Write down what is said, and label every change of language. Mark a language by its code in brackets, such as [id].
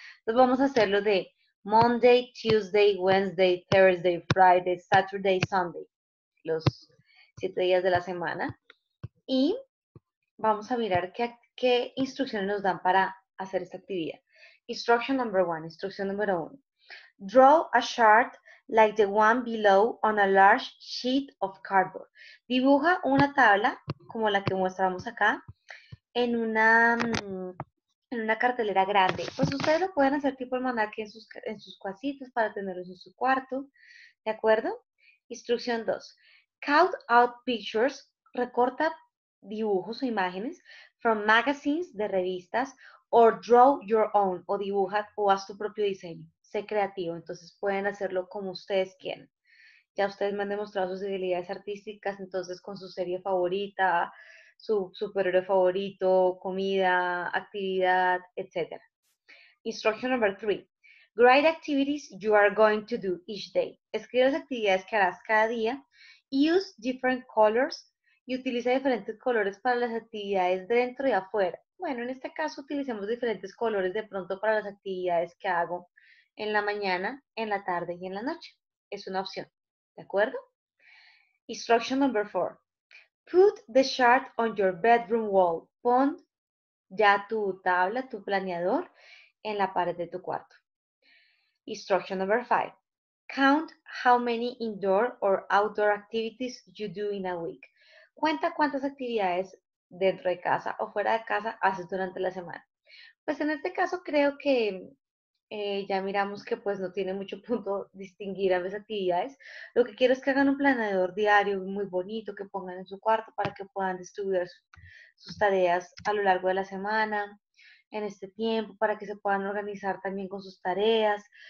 [es] Entonces vamos a hacerlo de [en] Monday, Tuesday, Wednesday, Thursday, Friday, Saturday, Sunday. [es] Los 7 días de la semana. Y vamos a mirar qué instrucciones nos dan para hacer esta actividad. [en] Instruction number one, [es] instrucción número uno. [en] Draw a chart like the one below on a large sheet of cardboard. [es] Dibuja una tabla como la que mostramos acá en una cartelera grande. Pues ustedes lo pueden hacer tipo almanaque en sus cuacitos para tenerlos en su cuarto. ¿De acuerdo? [en] Instrucción 2. Cut out pictures. [es] Recorta dibujos o imágenes [en] from magazines [es] de revistas [en] or draw your own [es] o dibuja o haz tu propio diseño. Sé creativo, entonces pueden hacerlo como ustedes quieran. Ya ustedes me han demostrado sus habilidades artísticas, entonces con su serie favorita, su superhéroe favorito, comida, actividad, etc. [en] Instruction number 3. Write activities you are going to do each day. [es] Escribe las actividades que harás cada día. [en] Use different colors [es] y utiliza diferentes colores para las actividades dentro y afuera. Bueno, en este caso utilicemos diferentes colores de pronto para las actividades que hago en la mañana, en la tarde y en la noche. Es una opción. ¿De acuerdo? [en] Instruction number 4. Put the chart on your bedroom wall. [es] Pon ya tu tabla, tu planeador, en la pared de tu cuarto. [en] Instruction number 5. Count how many indoor or outdoor activities you do in a week. [es] Cuenta cuántas actividades dentro de casa o fuera de casa haces durante la semana. Pues en este caso creo que ya miramos que pues no tiene mucho punto distinguir a mis actividades. Lo que quiero es que hagan un planeador diario muy bonito que pongan en su cuarto para que puedan distribuir sus tareas a lo largo de la semana, en este tiempo, para que se puedan organizar también con sus tareas.